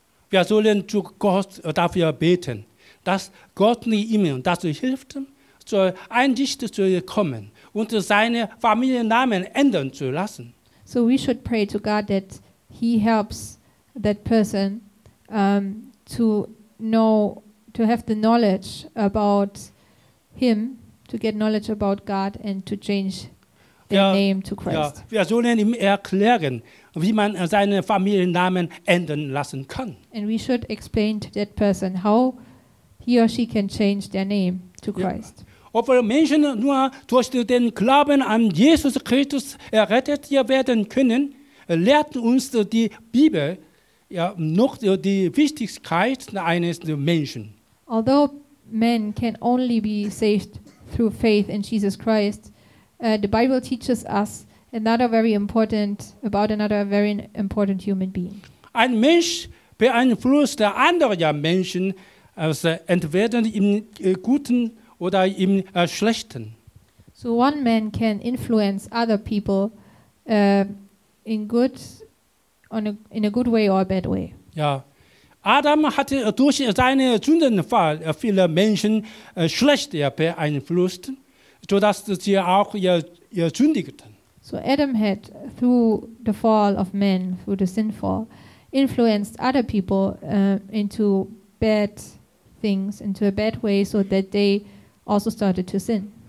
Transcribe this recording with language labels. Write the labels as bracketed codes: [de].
[de] Wir sollen zu Gott dafür beten, dass Gott ihm dazu hilft, zur Einsicht zu kommen und seine Familiennamen ändern zu lassen. [en] So we should pray to God that he helps that person to know, to have the knowledge about him, to get knowledge about God and to change their name to Christ. [de] Ja, wir sollen ihm erklären, wie man seinen Familiennamen ändern lassen kann. [en] And we should explain to that person how he or she can change their name to Christ. [de] Ja. Obwohl Menschen nur durch den Glauben an Jesus Christus errettet werden können, lehrt uns die Bibel ja noch die Wichtigkeit eines Menschen. [en] Although men can only be saved through faith in Jesus Christ, the Bible teaches us another very important human being. [de] Ein Mensch beeinflusst der andere Menschen entweder im Guten oder im Schlechten. [en] So one man can influence other people in a good way or a bad way. [de] Ja. Adam hatte durch seine Sündenfall viele Menschen schlecht beeinflusst, sodass sie auch ihr sündigten. [en] So Adam had, through the fall of man, through the sinfall, influenced other people into bad things, into a bad way, so that they also started to sin.